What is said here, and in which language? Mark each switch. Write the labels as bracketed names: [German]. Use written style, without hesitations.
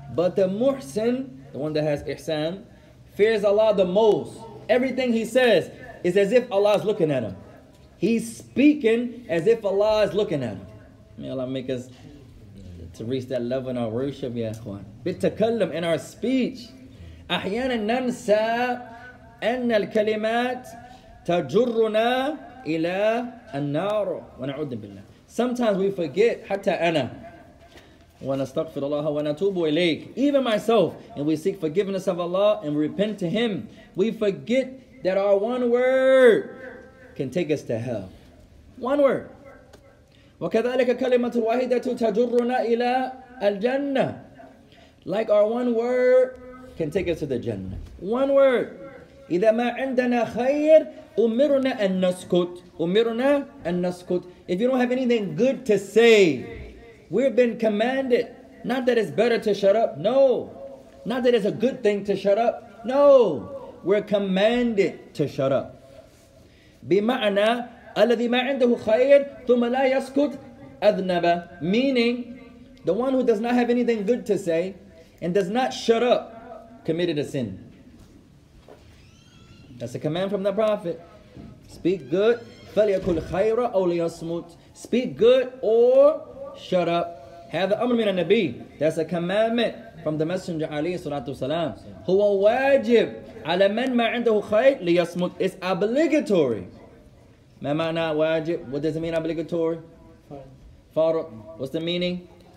[English] But the muhsin, the one that has ihsan, fears Allah the most. Everything he says is as if Allah is looking at him. He's speaking as if Allah is looking at him. May Allah make us to reach that level in our worship, ya ikhwan. [Arabic] بالتكلم, [English] in our speech. [Arabic] أحيانا ننسى أن الكلمات تجرنا إلى النار ونعود بالله. [English] Sometimes we forget, [Arabic] حتى أنا. وَنَسْتَغْفِرُ اللَّهَ وَنَتُوبُ إِلَيْكَ. [English] Even myself, and we seek forgiveness of Allah and we repent to Him, we forget that our one word can take us to hell. One word. [Arabic] وَكَذَلِكَ كَلِمَةُ الْوَاحِدَةُ تَجُرُّنَا إِلَى الْجَنَّةِ. [English] Like our one word can take us to the Jannah. One word. [Arabic] إِذَا مَا عِنْدَنَا خَيْرٌ أُمِرُنَا أَن نَسْكُتُ. أُمِرُنَا أَن نَسْكُتُ. [English] If you don't have anything good to say, we've been commanded, not that it's better to shut up, no. Not that it's a good thing to shut up, no. We're commanded to shut up. [Arabic] بمعنى الذي ما عنده خير ثم لا يسكت أذنب. [English] Meaning, the one who does not have anything good to say and does not shut up committed a sin. That's a command from the Prophet. Speak good, [Arabic] فليكن خيرا أو ليصمت. [English] Speak good or shut up. Have the [Arabic] amr min al-nabi. [English] That's a commandment from the Messenger alayhi salatu wasalam. [Arabic] Huwa wajib ala man ma indahu khayr liyasmut. [English] It's obligatory. [Arabic] Ma ma'na wajib. [English] What does it mean, obligatory? Farid. What's the meaning?